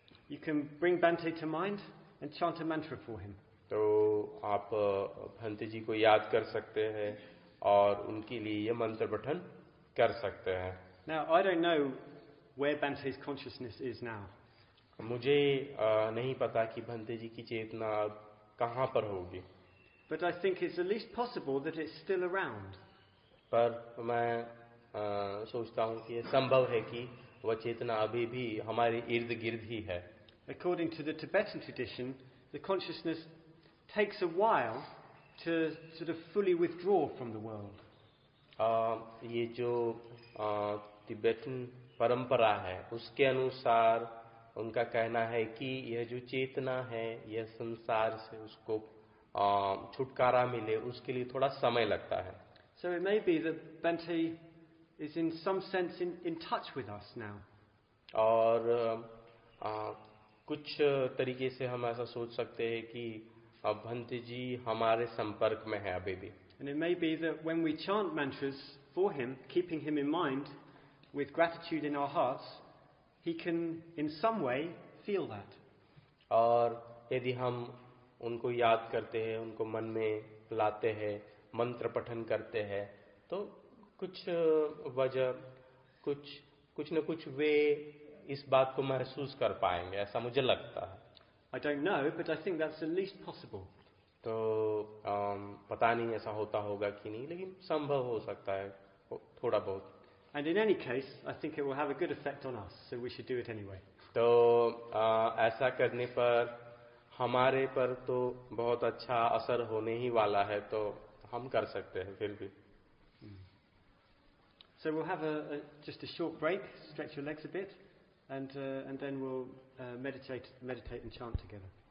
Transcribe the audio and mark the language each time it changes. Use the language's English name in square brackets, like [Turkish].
[English] You can bring Bhante to mind and chant a mantra for him. [Hindi] तो आप भंते जी को याद कर सकते हैं और उनके लिए ये मंत्र पठन कर सकते हैं. [English] Now I don't know where Bhante's consciousness is now. [Hindi] मुझे नहीं पता कि भंते जी की चेतना कहाँ पर होगी. [English] But I think it's at least possible that it's still around. [Hindi] पर मैं सोचता हूँ कि यह संभव है कि वह चेतना अभी भी हमारे इर्द गिर्द ही है. [English] According to the Tibetan tradition, the consciousness takes a while to sort of fully withdraw from the world. [Hindi] ये जो तिब्बतन परंपरा है उसके अनुसार उनका कहना है कि यह जो चेतना है यह संसार से उसको छुटकारा मिले उसके लिए थोड़ा समय लगता है. [English] So it may be that Bente is in some sense in touch with us now. [Hindi] और कुछ तरीके से हम ऐसा सोच सकते हैं कि भंते जी हमारे संपर्क में है अभी भी. [English] And it may be that when we chant mantras for him, keeping him in mind with gratitude in our hearts, he can in some way feel that. [Hindi] और यदि हम उनको याद करते हैं, उनको मन में लाते हैं, मंत्र पठन करते हैं, तो कुछ वजह, कुछ कुछ न कुछ वे इस बात को महसूस कर पाएंगे, ऐसा मुझे लगता है. [English] I don't know, but I think that's the least possible. [Hindi] तो पता नहीं ऐसा होता होगा कि नहीं, लेकिन संभव हो सकता है थोड़ा बहुत. [English] And in any case, I think it will have a good effect on us, so we should do it anyway. [Hindi] तो ऐसा करने पर हमारे पर तो बहुत अच्छा असर होने ही वाला है, तो हम कर सकते हैं फिर भी. [English] So we'll have just a short break, stretch your legs a bit, and then we'll meditate and chant together.